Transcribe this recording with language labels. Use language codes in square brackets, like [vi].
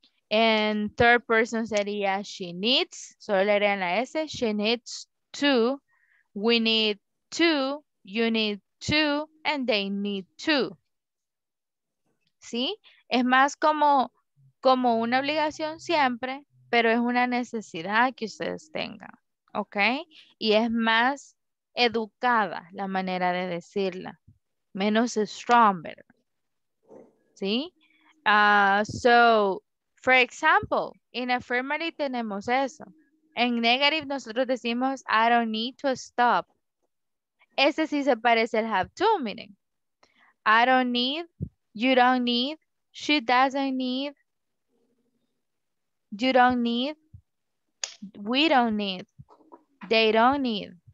[en] And third person sería she needs, [es] solo le haría la S, [en] she needs to, we need to, you need to, and they need to. [es] ¿Sí? Es más como una obligación siempre, pero es una necesidad que ustedes tengan, ¿ok? Y es más educada la manera de decirla, menos stronger, ¿sí? [en] So, for example, in affirmative [es] tenemos eso. En negative nosotros decimos, [en] I don't need to stop. [es] Ese sí se parece al have to, miren. [en] I don't need, you don't need, she doesn't need, you don't need, we don't need, they don't need.